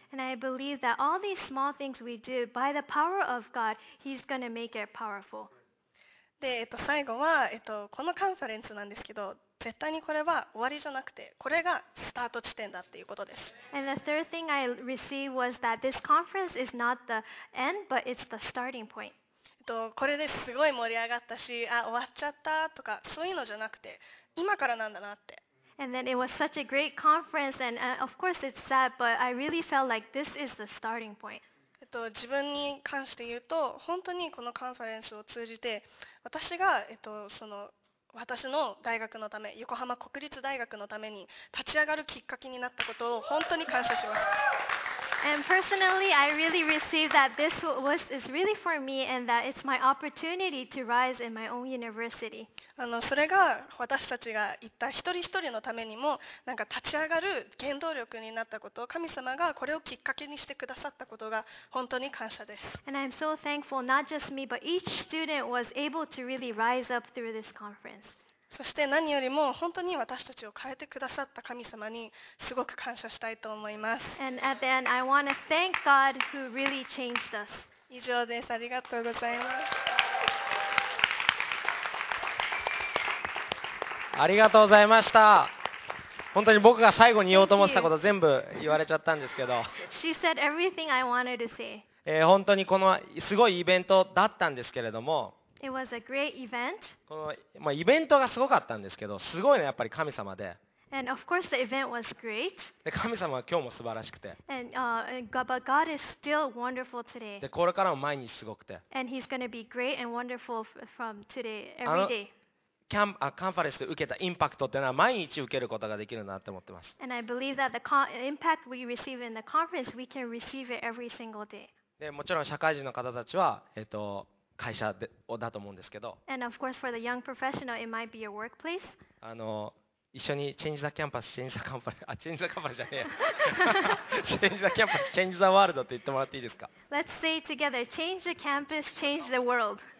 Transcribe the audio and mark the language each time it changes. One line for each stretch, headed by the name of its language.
English: And I believe that all these small things we do by the power of God, He's going to make it powerful.
Japanese: で、最後は、このカンファレンスなんですけど、絶対にこれは終わりじゃなくて、これがスタート地点だっていうことです。
English: And the third thing I received was that this conference is not the end, but it's the starting point.
Japanese: これですごい盛り上がったし、あ、終わっちゃったとか、そういうのじゃなくて、今からなんだなって。
English: And then it was such a great conference, and of course it's sad, but I really felt like this is the starting point.
Japanese: 自分に関して言うと、本当にこのカンファレンスを通じて、私が、私の大学のため、横浜国立大学のために立ち上がるきっかけになったことを本当に感謝します。
English: And personally, I really received that this was is really for me and that it's my opportunity to rise in my own university.
Japanese: それが私たちが行った一人一人のためにも、なんか立ち上がる原動力になったことを、神様がこれをきっかけにしてくださったことが本当に感謝です。
English: And I'm so thankful not just me but each student was able to really rise up through this conference.
Japanese: そして何よりも本当に私たちを変えてくださった神様にすごく感謝したいと思います。
English: And at the end, I want to thank God who really changed us.
Japanese: 以上です。ありがとうございました。ありがとうございました。本当に僕が最後に言おうと思ってたこと全部言われちゃったんですけど、
English: She said everything I wanted to say.
Japanese: 本当にこのすごいイベントだったんですけれども、
English: It was a great event.
Japanese: この、まあ、イベントがすごかったんですけど、すごいね、やっぱり神様で。
English: And of course the event was great.
Japanese: で、神様は今日も素晴らしくて。
English: And, but God is still wonderful today.
Japanese: で、これからも毎日すごくて。
English: And he's going to be great and wonderful from today, every day.
Japanese: カンファレンスで受けたインパクトっていうのは毎日受けることができるなって思ってます。
English: And I believe that the impact we receive in the conference, we can receive it every single day.
Japanese: で、もちろん社会人の方たちは、会社だと思うんですけど、
English: And of course for the young professional, it might be your workplace.
Japanese: 一緒にチェンジザキャンパス、チェンジザカンパレ、あ、チェンジザカンパレじゃねえ。
English: チェンジザキャンパス、チェンジザワールド
Japanese: って言ってもらっていいですか。
English: Let's say together, change the campus, change the world.